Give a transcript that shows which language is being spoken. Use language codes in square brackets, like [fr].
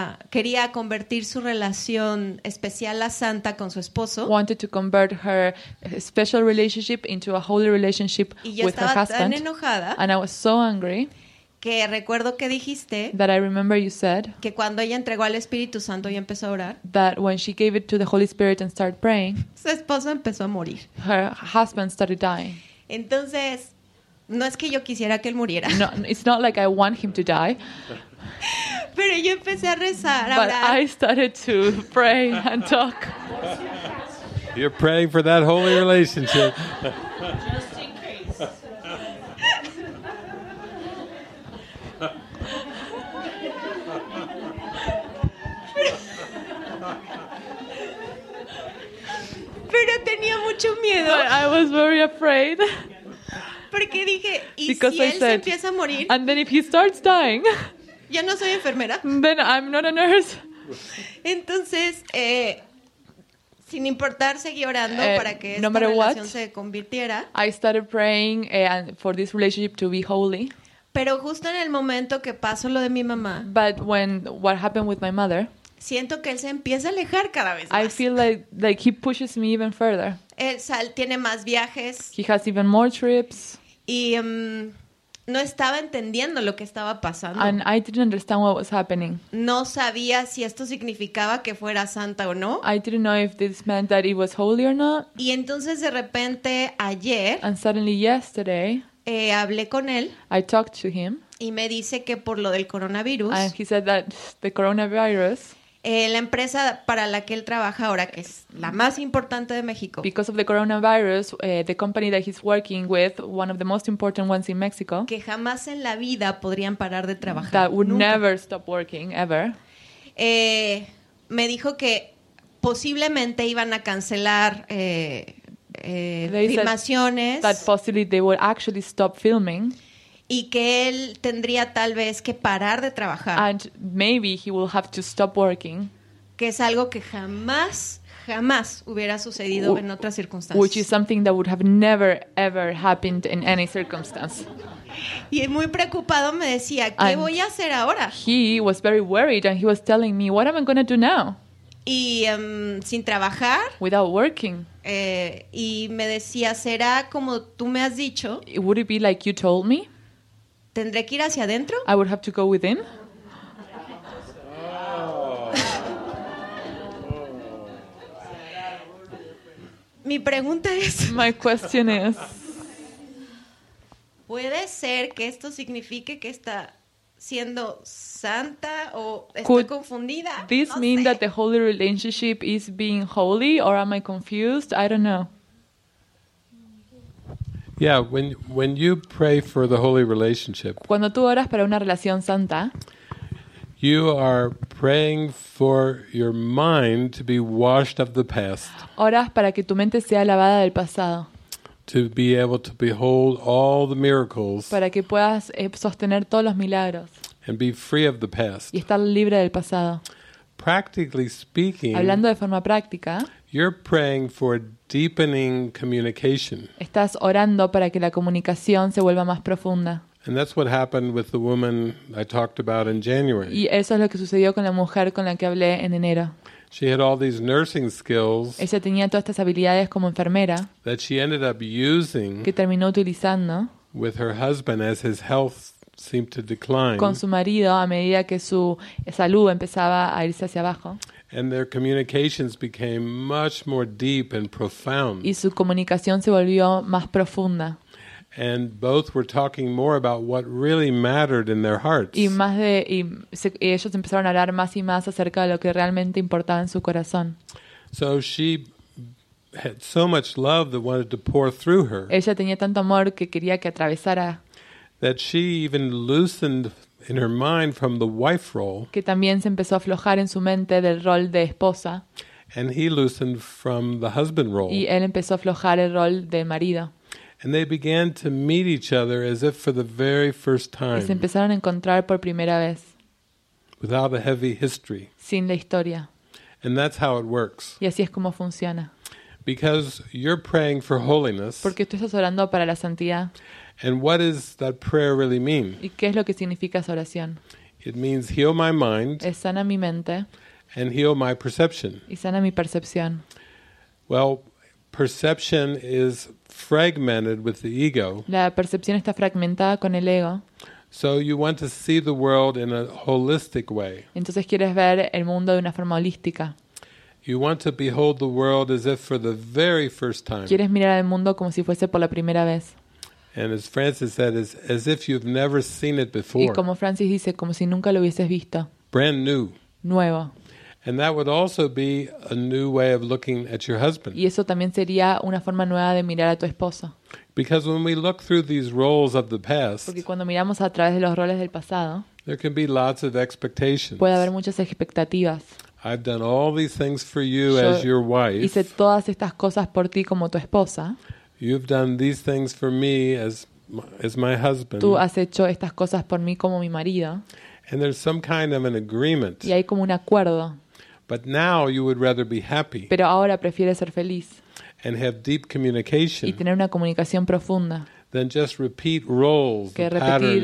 [es] Quería convertir su relación especial a santa con su esposo. [en] Wanted to convert her special relationship into a holy relationship with her husband. [es] Y yo estaba tan enojada. [en] And I was so angry. [es] Que recuerdo que dijiste. [en] That I remember you said. [es] Que cuando ella entregó al Espíritu Santo y empezó a orar. [en] That when she gave it to the Holy Spirit and started praying. [es] Su esposo empezó a morir. [en] Her husband started dying. [es] Entonces, no es que yo quisiera que él muriera. [en] No, it's not like I want him to die. [es] Pero yo empecé a rezar, a [en] but [es] orar. [en] I started to pray and talk. You're praying for that holy relationship. Just in case. [es] tenía mucho miedo. [en] But I was very afraid. [es] Porque dije, ¿y [en] Because [es] si [en] I [es] él [en] said, [es] se empieza a morir? [en] And then if he starts dying. [es] Ya no soy enfermera. [en] Then I'm not a nurse. [es] Entonces, sin importar, seguí orando para que esta relación se convirtiera. [en] I started praying and for this relationship to be holy. [es] Pero justo en el momento que pasó lo de mi mamá. [en] But when what happened with my mother. [es] Siento que él se empieza a alejar cada vez más. [en] I feel like he pushes me even further. [es] Él tiene más viajes. [en] He has even more trips. [es] Y no estaba entendiendo lo que estaba pasando. [en] And I didn't understand what was happening. [es] No sabía si esto significaba que fuera santa o no. [en] I didn't know if this meant that it was holy or not. [es] Y entonces de repente ayer. [en] And suddenly yesterday. [es] Hablé con él. [en] I talked to him. [es] Y me dice que por lo del coronavirus. [en] And he said that the coronavirus. [es] La empresa para la que él trabaja ahora, que es la más importante de México. [en] Because of the coronavirus, the company that he's working with, one of the most important ones in Mexico. [es] Que jamás en la vida podrían parar de trabajar. [en] That would never stop working, ever. [es] Me dijo que posiblemente iban a cancelar filmaciones. [en] That possibly they would actually stop filming. [es] Y que él tendría tal vez que parar de trabajar. [en] And maybe he will have to stop working. [es] Que es algo que jamás, jamás hubiera sucedido en otras circunstancias. [en] Which is something that would have never, ever happened in any circumstance. [es] Y muy preocupado me decía, ¿qué [en] and [es] voy a hacer ahora? [en] He was very worried and he was telling me, what am I going to do now? [es] Y sin trabajar. [en] Without working. [es] Y me decía, ¿será como tú me has dicho? [en] Would it be like you told me? [es] ¿Tendré que ir hacia adentro? [en] I would have to go within. [es] Mi pregunta es... [en] My question is... [es] ¿Puede ser que esto signifique que está siendo santa o estoy confundida? [en] Could this mean that the holy relationship is being holy or am I confused? I don't know. Yeah, when you pray for the holy relationship, [es] cuando tú oras para una relación santa, [en] you are praying for your mind to be washed of the past. [es] Oras para que tu mente sea lavada del pasado. [en] To be able to behold all the miracles. [es] Para que puedas sostener todos los milagros. [en] And be free of the past. [es] Y estar libre del pasado. [en] Practically speaking, [es] hablando de forma práctica, [en] you're praying for deepening communication. [es] Estás orando para que la comunicación se vuelva más profunda. [en] And that's what happened with the woman I talked about in January. [es] Y eso es lo que sucedió con la mujer con la que hablé en enero. [en] She had all these nursing skills. [es] Ella tenía todas estas habilidades como enfermera. [en] That she ended up using. [es] Que terminó utilizando. [en] With her husband as his health seemed to decline. [es] Con su marido a medida que su salud empezaba a irse hacia abajo. [en] And their communications became much more deep and profound. [es] Y su comunicación se volvió más profunda. [en] And both were talking more about what really mattered in their hearts. [es] Y ellos empezaron a hablar más y más acerca de lo que realmente importaba en su corazón. [en] So she had so much love that wanted to pour through her. [es] Ella tenía tanto amor que quería que atravesara. [en] That she even loosened in her mind from the wife role. [es] Que también se empezó a aflojar en su mente del rol de esposa. [en] And he loosened from the husband role. [es] Y él empezó a aflojar el rol de marido. [en] And they began to meet each other as if for the very first time. [es] Y se empezaron a encontrar por primera vez. [en] Without a heavy history. [es] Sin la historia. [en] And that's how it works. [es] Y así es como funciona. [en] Because you're praying for holiness. [es] Porque tú estás orando para la santidad. [en] And what does that prayer really mean? [es] ¿Y qué es lo que significa esa oración? [en] It means heal my mind. [es] Es sana mi mente. [en] And heal my perception. [es] Y sana mi percepción. [en] Well, perception is fragmented with the ego. [es] La percepción está fragmentada con el ego. [en] So you want to see the world in a holistic way. [es] Entonces quieres ver el mundo de una forma holística. [en] You want to behold the world as if for the very first time. [es] Quieres mirar el mundo como si fuese por la primera vez. [en] And as Francis said, as if you've never seen it before. [es] Y como Francis dice, como si nunca lo hubieses visto. [en] Brand new. [es] Nuevo. [en] And that would also be a new way of looking at your husband. [es] Y eso también sería una forma nueva de mirar a tu esposo. [en] Because when we look through these roles of the past, [es] porque cuando miramos a través de los roles del pasado, [en] there can be lots of expectations. [es] Puede haber muchas expectativas. [en] I've done all these things for you as your wife. [es] Hice todas estas cosas por ti como tu esposa. [en] You've done these things for me as my husband. [es] Tú has hecho estas cosas por mí como mi marido. [en] And there's some kind of an agreement. [es] Y hay como un acuerdo. [en] But now you would rather be happy. [es] Pero ahora prefieres ser feliz. [en] And have deep communication. [es] Y tener una comunicación profunda. [en] Than just repeat roles, [es] que repetir